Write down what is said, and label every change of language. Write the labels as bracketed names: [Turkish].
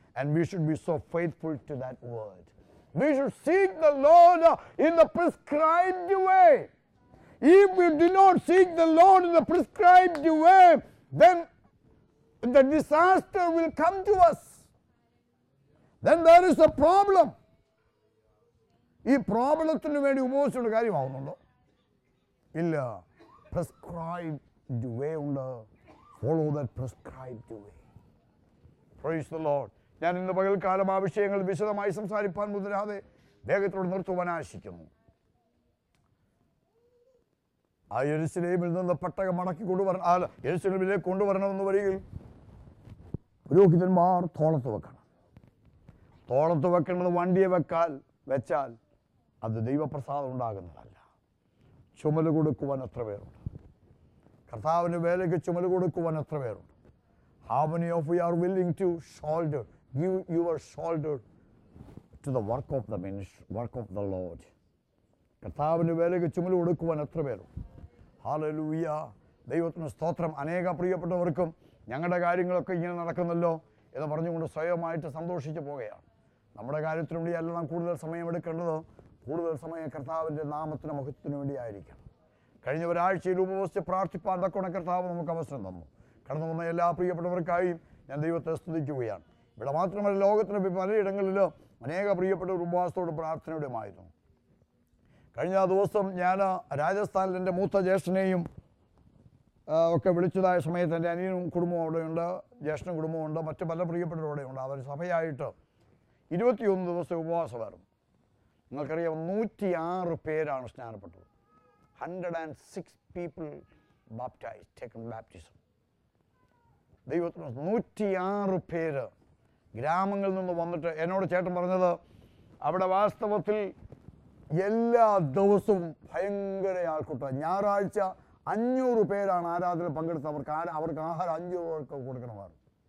[English] And we should be so faithful to that word. We should seek the Lord in the prescribed way. If we do not seek the Lord in the prescribed way, then the disaster will come to us. Then there is a problem. [Malayalam] ഈ പ്രോബ്ലത്തിന് വേണ്ടി ഉപയോഗിച്ചുള്ള കാര്യമാവുന്നുണ്ടോ? ഇല്ല. [English] Prescribed way [Malayalam] ഉണ്ട്. [English] Follow that prescribed way. Praise the Lord. [Malayalam] ഞാൻ ഇന്ന് പകൽക്കാലം ആ വിഷയങ്ങൾ വിശദമായി സംസാരിപ്പാൻ മുതലാതെ വേഗത്തോട് നിർത്തുവാൻ ആശിക്കുന്നു. ആ യെരുശലേമിൽ നിന്ന് പട്ടകം മടക്കി കൊണ്ടുവരണം. ആ യെരുശലേമിലേക്ക് കൊണ്ടുവരണമെന്ന് വരികിൽ പുരോഹിതന്മാർ തോളത്ത് വെക്കണം. തോളത്ത് വെക്കേണ്ടത് വണ്ടിയെ വെച്ചാൽ അത് ദൈവപ്രസാദം ഉണ്ടാകുന്നതല്ല. ചുമല് കൊടുക്കുവാൻ എത്ര പേരുണ്ട്? കർത്താവിന് വേലയ്ക്ക് ചുമല് കൊടുക്കുവാൻ എത്ര പേരുണ്ട്? [English] How many of you are willing to shoulder, give your shoulder to the work of the ministry, work of the Lord? [Malayalam] കർത്താവിന് വേലയ്ക്ക് ചുമല് കൊടുക്കുവാൻ എത്ര പേരുണ്ട്? Hallelujah. ദൈവത്തിന് സ്തോത്രം. അനേക പ്രിയപ്പെട്ടവർക്കും ഞങ്ങളുടെ കാര്യങ്ങളൊക്കെ ഇങ്ങനെ നടക്കുന്നല്ലോ എന്ന് പറഞ്ഞുകൊണ്ട് സ്വയമായിട്ട് സന്തോഷിച്ച് പോവുകയാണ്. നമ്മുടെ കാര്യത്തിനു വേണ്ടിയല്ല നാം കൂടുതൽ സമയമെടുക്കേണ്ടത്. കൂടുതൽ സമയം കർത്താവിൻ്റെ നാമത്തിന് മഹത്വത്തിന് വേണ്ടിയായിരിക്കണം. കഴിഞ്ഞ ഒരാഴ്ചയിൽ ഉപവസിച്ച് പ്രാർത്ഥിപ്പാൻ തക്കവണ്ണം കർത്താവ് നമുക്ക് അവസരം തന്നു. കടന്നു വന്ന എല്ലാ പ്രിയപ്പെട്ടവർക്കായും ഞാൻ ദൈവത്തെ സ്തുതിക്കുകയാണ്. ഇവിടെ മാത്രമല്ല, ലോകത്തിന് പലയിടങ്ങളിലോ അനേക പ്രിയപ്പെട്ട ഒരു ഉപവാസത്തോടും പ്രാർത്ഥനയോടുമായിരുന്നു. കഴിഞ്ഞ ദിവസം ഞാൻ രാജസ്ഥാനിൽ എൻ്റെ മൂത്ത ജ്യേഷ്ഠനെയും ഒക്കെ വിളിച്ചതായ സമയത്ത് എൻ്റെ അനിയനും കുടുംബവും അവിടെയുണ്ട്, ജ്യേഷ്ഠൻ കുടുംബമുണ്ട്, മറ്റ് പല പ്രിയപ്പെട്ടവരോടെയുണ്ട്. അവർ സഭയായിട്ട് 21 ദിവസം ഉപവാസമായിരുന്നു. നിങ്ങൾക്കറിയാം 106 പേരാണ് സ്നാനപ്പെട്ടത്. [English] 106 people baptized, taken baptism. [Malayalam] ദൈവത്തിന് 106 പേര് ഗ്രാമങ്ങളിൽ നിന്ന് വന്നിട്ട്. എന്നോട് ചേട്ടൻ പറഞ്ഞത് അവിടെ വാസ്തവത്തിൽ എല്ലാ ദിവസവും ഭയങ്കര ആൾക്കൂട്ടം. ഞായറാഴ്ച 500 പേരാണ് ആരാധന പങ്കെടുത്ത്. അവർക്ക് ആഹാരം 500 പേർക്ക് കൊടുക്കണമായിരുന്നു.